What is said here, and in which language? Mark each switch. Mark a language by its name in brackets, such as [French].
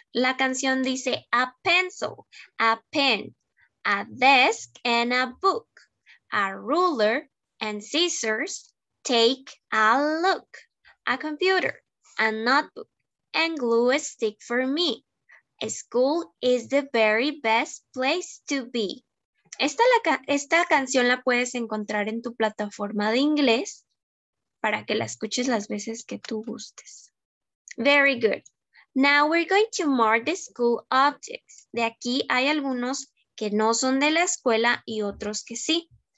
[Spanish] La canción dice [English] a pencil, a pen, a desk and a book, a ruler and scissors, take a look. A computer, a notebook, and glue a stick for me. A school is the very best place to be. [Spanish] Esta canción la puedes encontrar en tu plataforma de inglés para que la escuches las veces que tú gustes. [English] Very good. Now we're going to mark the school objects. [Spanish] De aquí hay algunos que no son de la escuela y otros que sí.